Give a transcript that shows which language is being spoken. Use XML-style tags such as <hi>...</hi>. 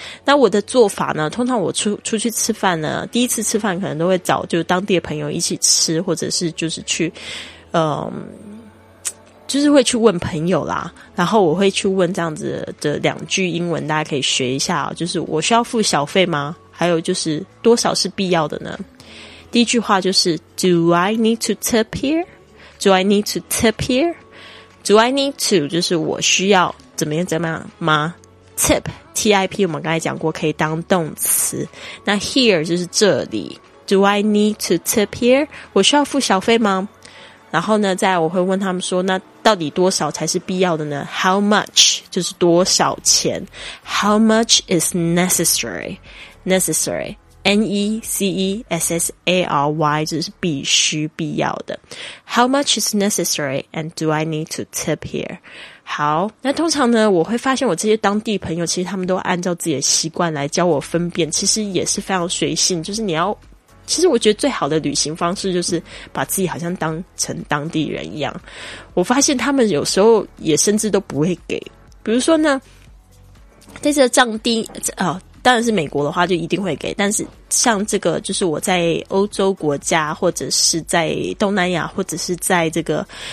<zh>那我的做法呢，通常我出去吃饭呢，第一次吃饭可能都会找就当地的朋友一起吃，或者是就是去就是会去问朋友啦，然后我会去问这样子的两句英文，大家可以学一下，就是我需要付小费吗？还有就是多少是必要的呢？第一句话就是</zh> <en>Do I need to tip here? Do I need to tip here? Do I need to</en> <zh>就是我需要怎么样怎么样吗？ Tip T-I-P 我们刚才讲过可以当动词，那 here 就是这里，</zh> <en>Do I need to tip here?</en> <zh>我需要付小费吗？然后呢，再来我会问他们说，那到底多少才是必要的呢？</zh> <en>How much</en> <zh>就是多少钱，</zh> <en>How much is necessary?</en> <zh>Necessary N-E-C-E-S-S-A-R-Y 就是必须必要的。</zh> <en>How much is necessary and do I need to tip here?</en> <zh>好，那通常呢，我会发现我这些当地朋友其实他们都按照自己的习惯来教我分辨，其实也是非常随性，就是你要，其实我觉得最好的旅行方式就是把自己好像当成当地人一样。我发现他们有时候也甚至都不会给，比如说呢，在这个藏地当然是美国的话就一定会给，但是像这个就是我在欧洲国家或者是在东南亚或者是在这个</zh>